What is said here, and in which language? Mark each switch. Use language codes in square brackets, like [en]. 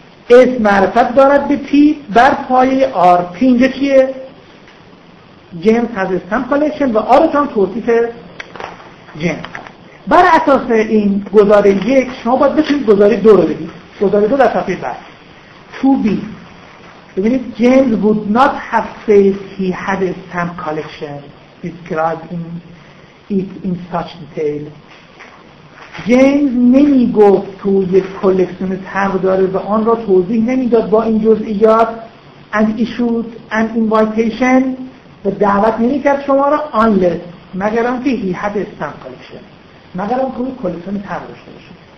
[fa] S معرفت دارد به P بر پایه R. P اینجا چیه؟ [en] James has a stamp collection [fa] و R هم توصیف James. بر اساس این گزاره یک شما باید بتونید گزاره دو رو بدید. گزاره دو در صفحه بعد. [en] 2B [fa] ببینید [en] James would not have said he had a stamp collection describing it in such detail. [fa] James نمی گفت توی کلکسیون تمر داره و آن را توضیح نمی داد با این جزئیات [en] and issued an invitation [fa] و دعوت نمی کرد شما را unless مگر آنکه [en] he had a stamp collection [fa] مگر آنکه توی کلکسیون تمر داشته باشه.